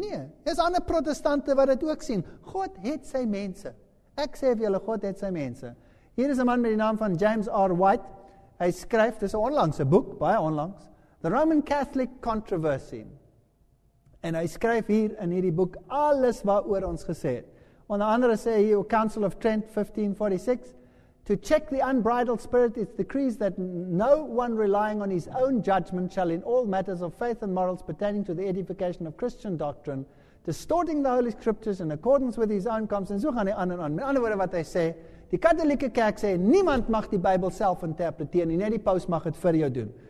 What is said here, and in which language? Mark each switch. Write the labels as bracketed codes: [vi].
[af] Nee, is ander protestante wat dit ook sien. God het sy mense. Ek sê vir julle, God het sy mense. Hier is 'n man met die naam van James R. White. Hy skryf, dis 'n onlangse boek, baie onlangs, The Roman Catholic Controversy. En hy skryf hier in hierdie boek alles waaroor ons gesê het. Onder andere sê hier, [en] Council of Trent 1546, to check the unbridled spirit, it decrees that no one relying on his own judgment shall in all matters of faith and morals pertaining to the edification of Christian doctrine, distorting the Holy Scriptures in accordance with his own conscience. [af] So gaan hy aan en aan. Met ander woorde wat hy sê, die katholieke kerk sê, niemand mag die Bybel self interpreteer nie, net die paus mag het vir jou doen.